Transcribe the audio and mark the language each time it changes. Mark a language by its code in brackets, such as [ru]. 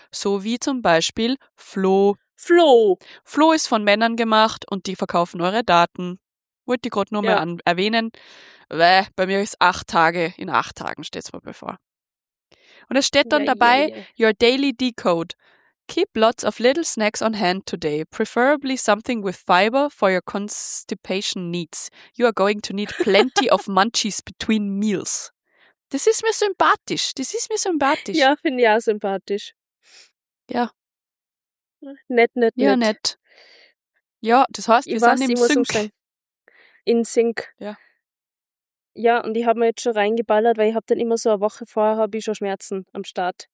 [de] So wie zum Beispiel Flo. Flo ist von Männern gemacht und die verkaufen eure Daten. Wollte ich gerade nur mal erwähnen. Bäh, bei mir ist 8 Tage. In 8 Tagen steht es mir bevor. Und es steht dann dabei, [en] your daily decode. Keep lots of little snacks on hand today. Preferably something with fiber for your constipation needs. You are going to need plenty of munchies between meals. [de] Das ist mir sympathisch. Ja, finde ich auch sympathisch. Ja. Nett. Ja, nett. Ja, das heißt, wir sind im Sync. In Sync. Ja. Ja, und ich habe mir jetzt schon reingeballert, weil ich habe dann immer so eine Woche vorher, habe ich schon Schmerzen am Start.